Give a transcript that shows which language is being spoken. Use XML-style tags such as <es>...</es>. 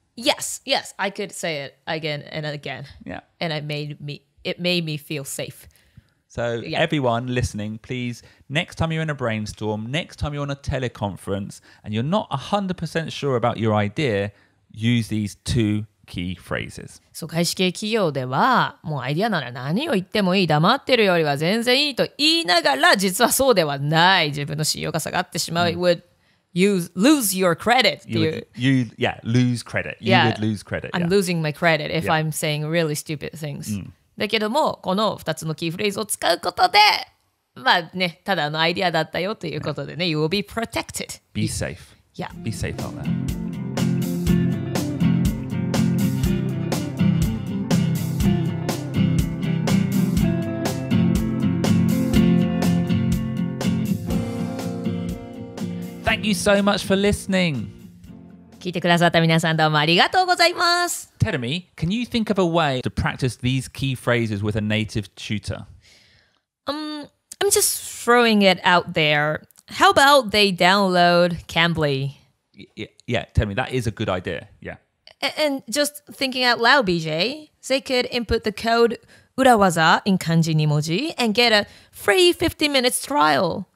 <en>Yes. I could say it again and again. Yeah. And it made me feel safe. So yeah. Everyone listening, please, next time you're in a brainstorm, next time you're on a teleconference, and you're not 100% sure about your idea, use these two key phrases.</en> <ja>So, 外資系企業では、もうアイデアなら何を言ってもいい、黙ってるよりは全然いいと言いながら、実はそうではない。自分の信用が下がってしまう。</ja> <en>Mm. Would you lose your credit? Lose credit. You would lose credit. I'm losing my credit if I'm saying really stupid things.、Mm.</en> <ja>だけどもこの2つのキーフレーズを使うことでまあねただのアイディアだったよということでね、yeah.</ja> <en>You will be protected. Be safe. Yeah. Be safe on that. Thank you so much for listening.</en> <ja>聞いてくださった皆さんどうもありがとうございます。</ja> <en>Tell me, can you think of a way to practice these key phrases with a native tutor? I'm just throwing it out there. How about they download Cambly? Yeah, tell me, that is a good idea. Yeah. And just thinking out loud, BJ, they could input the code 裏技 in kanji 2 文字 and get a free 50 minutes trial.</en>